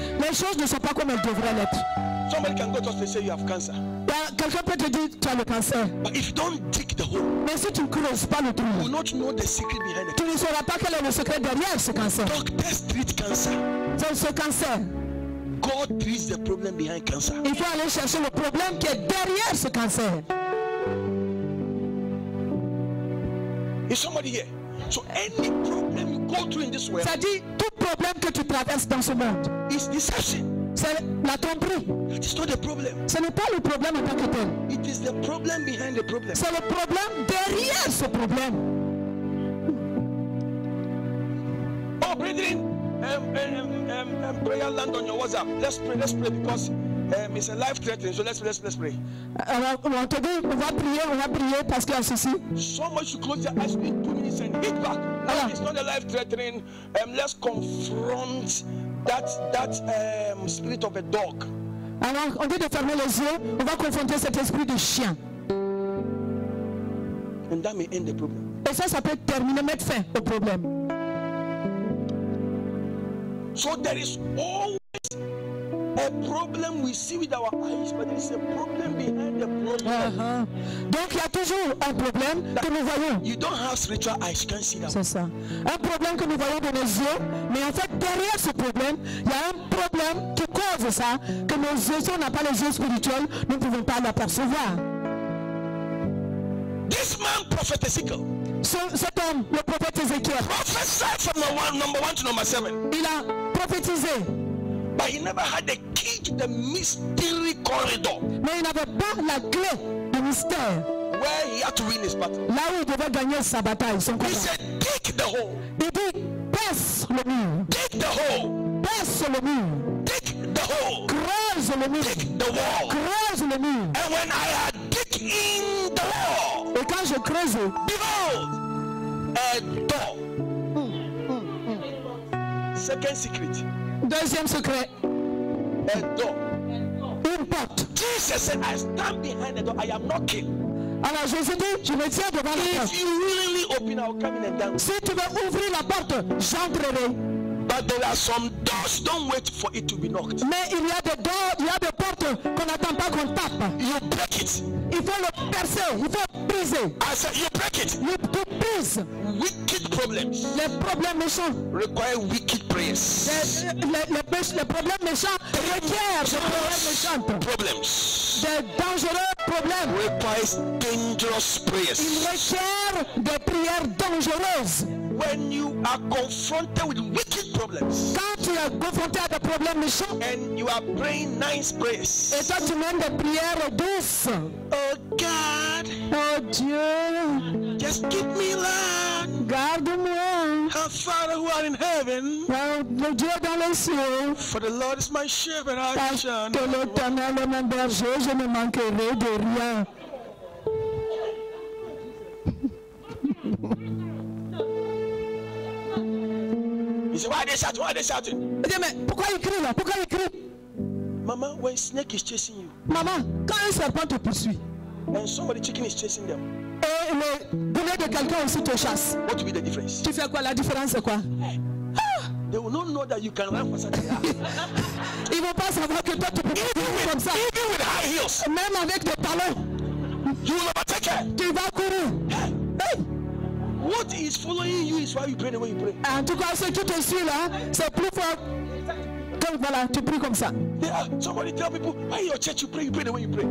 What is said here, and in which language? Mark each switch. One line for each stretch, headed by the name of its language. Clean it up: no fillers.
French: Les choses ne sont pas comme elles devraient l'être.
English: Somebody can go to us and say you have cancer.
French: Quelqu'un peut te dire tu as le cancer.
English: But if you don't dig the hole,
French: mais si tu ne creuses pas le trou,
English: you will not know the secret behind it.
French: Tu ne sauras pas quel est le secret derrière ce cancer.
English: Doctors treat cancer.
French: C'est ce cancer.
English: God treats the problem behind cancer.
French: Il faut aller chercher le problème qui est derrière ce cancer.
English: Is somebody here? So any problem you go through in this world,
French: c'est-à-dire tout problème que tu traverses dans ce monde,
English: is deception.
French: C'est la tromperie.
English: It is not the problem.
French: Ce n'est pas le problème en tant que tel.
English: It is the problem behind the problem.
French: C'est le problème derrière ce problème.
English: Oh, brethren, prayer land on your WhatsApp. Let's pray because it's a life threatening. So let's pray.
French: Alors, on te dit, on va prier parce qu'il y a ceci.
English: So much you close your eyes in 2 minutes and hit back. Now, it's not a life threatening. Let's confront that spirit of a dog.
French: Alors, on dit de fermer les yeux, on va confronter cet esprit de chien.
English: And that may end the problem.
French: Et ça peut terminer, mettre fin au problème.
English: So there is always a problem we see with our eyes, but there is a problem behind the problem.
French: Donc il y a toujours un problème que nous voyons.
English: You don't have spiritual eyes, you can't see that.
French: C'est ça. Un problème que nous voyons de nos yeux, mais en fait derrière ce problème, il y a un problème qui cause ça, que nos yeux, si on n'a pas les yeux spirituels, nous ne pouvons pas l'apercevoir.
English: This man prophet Ezekiel.
French: Cet homme, le prophète Ezekiel.
English: Prophesied from number one to number seven.
French: Il a prophétisé.
English: But he never had the key to the mystery corridor.
French: Mais il n'avait pas la clé du mystère.
English: Where he had to win his battle.
French: Là où il devait gagner sa bataille, son combat.
English: He said, dig the hole.
French: Il dit, perce le mur.
English: Dig the hole.
French: Perce le mur.
English: Dig the hole.
French: Creuse le mur.
English: Dig the wall.
French: Creuse le mur.
English: And when I had dig in the wall.
French: Et quand je creuse,
English: behold, a door. Second secret.
French: Deuxième secret.
English: A door.
French: Une porte.
English: Jesus said, I stand behind the door. I am knocking.
French: Alors Jésus dit, je me tiens devant la porte.
English: If you willingly open, I'll come in and dance.
French: Si tu veux ouvrir la porte, j'entrerai.
English: But there are some doors, don't wait for it to be knocked.
French: Mais il y a des doors, il y a des portes qu'on n'attend pas qu'on tape.
English: You break it.
French: Il faut le percer, il faut briser.
English: I said, you break it.
French: Tu brises.
English: Wicked problems.
French: Les problèmes méchants.
English: Require wicked prayers.
French: Les problèmes méchants requièrent des problèmes méchants.
English: Problems.
French: Des dangereux problèmes.
English: Requires dangerous prayers.
French: Il requiert des prières dangereuses.
English: When you are confronted with wicked problems,
French: quand tu es confronté à des problèmes méchants,
English: and you are praying nice prayers,
French: et toi tu mènes des prières douces,
English: oh God,
French: oh Dieu,
English: just keep me alive,
French: garde-moi,
English: our Father who art in heaven,
French: le Dieu dans les cieux,
English: for the Lord is my shepherd, I shall not want.
French: Que l'Éternel est mon berger, je ne manquerai de rien.
English: He said, why are they shouting?
French: Yeah, mais pourquoi il crie là? Pourquoi il crie?
English: Mama, when snake is chasing you.
French: Mama, quand un serpent te poursuit.
English: And somebody chicken is chasing them.
French: Et le boulet de quelqu'un aussi te chasse.
English: What will be the difference?
French: Tu fais quoi? La différence c'est quoi?
English: They will not know that you can run for something.
French: Ils vont pas savoir que toi tu peux courir comme ça.
English: Even with high heels.
French: Même avec des talons.
English: You will overtake her.
French: Tu vas courir.
English: What is following you is why you pray the way you pray.
French: En tout cas, ce qui te suit là, c'est plus fort. Donc voilà, tu pries comme ça.
English: Yeah, somebody tell people, why in your church you pray the way you pray.